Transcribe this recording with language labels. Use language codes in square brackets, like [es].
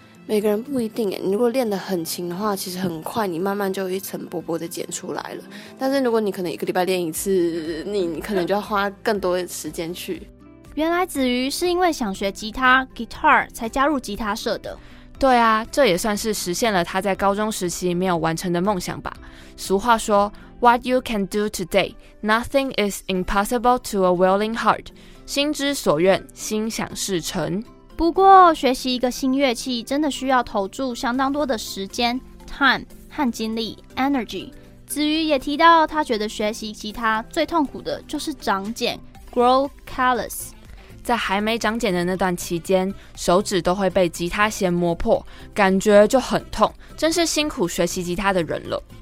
[zh] 每个人不一定耶，你如果练得很勤的话，其实很快你慢慢就一层薄薄的茧出来了。但是如果你可能一个礼拜练一次， 你可能就要花更多的时间去。原来子瑜是因为想学吉他 guitar 才加入吉他社的。对啊，这也算是实现了他在高中时期没有完成的梦想吧。 [en] 俗话说 What you can do today, nothing is impossible to a willing heart. [zh] 心之所愿，心想事成。不过学习一个新乐器真的需要投注相当多的时间 time 和精力 energy。子瑜也提到他觉得学习吉他最痛苦的就是长茧 [en] grow callus。 [zh] 在还没长茧的那段期间，手指都会被吉他弦磨破，感觉就很痛，真是辛苦学习吉他的人了。